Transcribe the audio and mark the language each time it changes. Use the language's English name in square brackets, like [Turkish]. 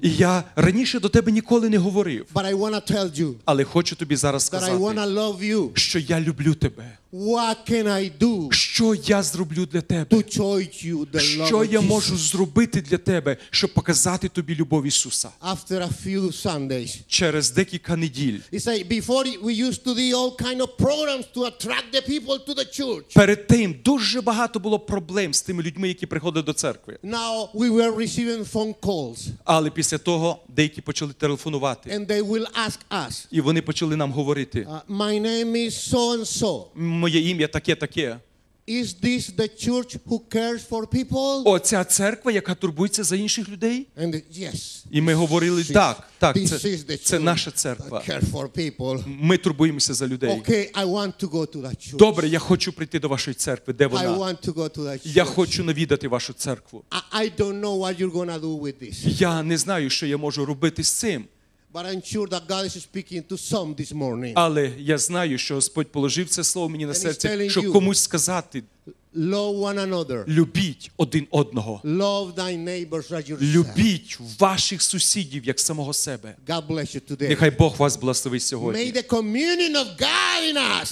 [Ukrainian] І я раніше до тебе ніколи не говорив. [English] But I want to tell you. [Ukrainian] Але хочу тобі зараз сказати, [English] that I want to love you. [Ukrainian] Що я люблю тебе. [English] What can I do? [Ukrainian] Що я зроблю для тебе? [English] To show you the love. [Ukrainian] Що я можу зробити для тебе, щоб показати тобі любов Ісуса? [English] After a few Sundays. [Ukrainian] Через декілька неділь. [English] He said, before we used to do all kind of programs to attract the people to the church. [Ukrainian] Перед тим дуже багато було проблем з тими людьми, які приходили до церкви. [English] Now we were receiving phone calls. [Ukrainian] Але після того деякі почали телефонувати. [English] And they will ask us. [Ukrainian] І вони почали нам говорити. [English] My name is so and so. [Ukrainian] Моє ім'я таке-таке. [English] Is this the church who cares for people? [Ukrainian] Оця церква, яка турбується за інших людей? [English] And yes. [Ukrainian] І ми говорили, так, так, це наша церква. [English] Care for people. [Ukrainian] Ми турбуємося за людей. [English] Okay, I want to go to that church. [Ukrainian] Добре, я хочу прийти до вашої церкви, де вона? [English] I want to go to that church. [Ukrainian] Я хочу навідати вашу церкву. [English] I don't know what you're gonna do with this. [Ukrainian] Я не знаю, що я можу робити з цим. [English] But I'm sure that God is speaking to some this morning. [Ukrainian] Але я знаю, що Господь положив це слово мені на серце, щоб комусь сказати. [English] Love one another. [Ukrainian] Любіть один одного. [English] Love thy neighbors as yourself. [Ukrainian] Любіть ваших сусідів як самого себе. [English] God bless you today. [Ukrainian] Нехай Бог вас благословить сьогодні. [English] May the communion of God in us.